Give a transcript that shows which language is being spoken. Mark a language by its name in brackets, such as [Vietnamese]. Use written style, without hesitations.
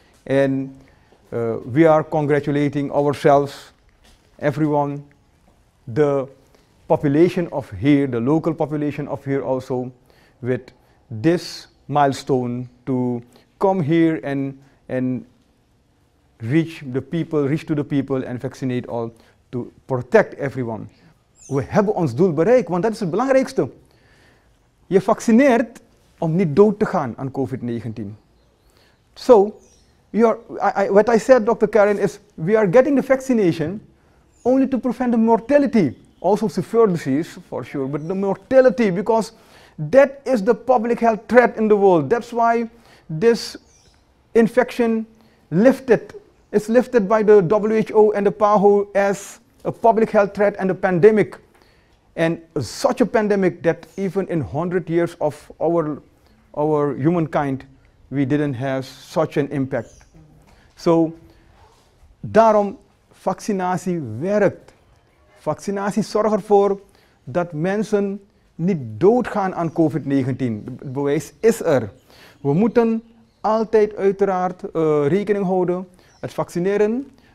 [English] And we are congratulating ourselves, everyone, the population of here, the local population of here also, with this milestone to come here and reach the people, reach to the people and vaccinate all to protect everyone. [Dutch] We hebben ons doel bereikt, want dat is het belangrijkste. Je vaccineert om niet dood te gaan aan COVID-19. [English] So, what I said, Dr. Karen, is we are getting the vaccination only to prevent the mortality, also severe disease for sure, but the mortality, because that is the public health threat in the world. That's why this infection lifted. It's lifted by the WHO and the PAHO as a public health threat and a pandemic. And such a pandemic that even in 100 years of our humankind, we didn't have such an impact. [Dutch] So, daarom vaccinatie werkt. Vaccinatie zorgt ervoor dat mensen niet doodgaan aan COVID-19. Het bewijs is er. We moeten altijd uiteraard rekening houden. Het vaccineren